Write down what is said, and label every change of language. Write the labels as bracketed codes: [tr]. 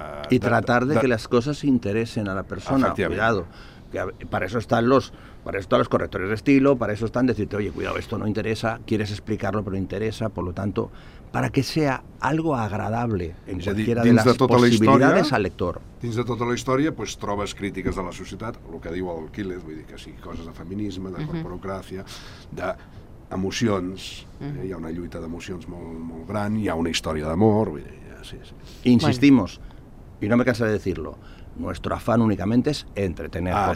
[es] Y tratar de que las cosas interesen a la persona, cuidado, que para eso están los correctores de estilo, para eso están decirte, oye, cuidado, esto no interesa, quieres explicarlo pero interesa, por lo tanto, para que sea algo agradable en cualquiera de las [ca] de tota [es] posibilidades [ca] la història, [es] al lector. [ca] Dins de tota la història, pues trobes crítiques de la societat, lo que diu el Quiles, vull dir que sí, coses de feminisme, de corporocràcia, de emocions, hi ha una lluita d'emocions molt, molt gran, hi ha una història d'amor, vull dir. Sí, sí. [es] Insistimos, bueno. Y no me cansaré de decirlo, nuestro afán únicamente es entretener, por